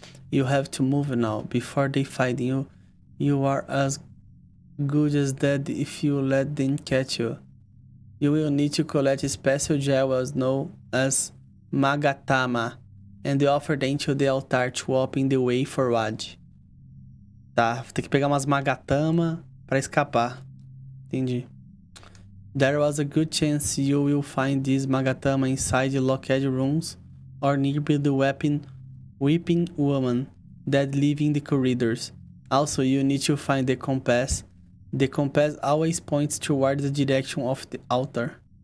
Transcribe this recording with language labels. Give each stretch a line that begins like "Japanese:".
English: You have to move now, before they find you. You are as good as dead if you let them catch you. You will need to collect special jewels known as Magatama and offer them to the altar to open the way forward.
Portuguese: Tá, tem que pegar umas Magatama pra escapar. Entendi.
English: There was a good chance you will find this Magatama inside locked rooms or nearby the weeping woman that live in the corridors. Also, you need to find the compass. The compass always points towards the direction of the altar.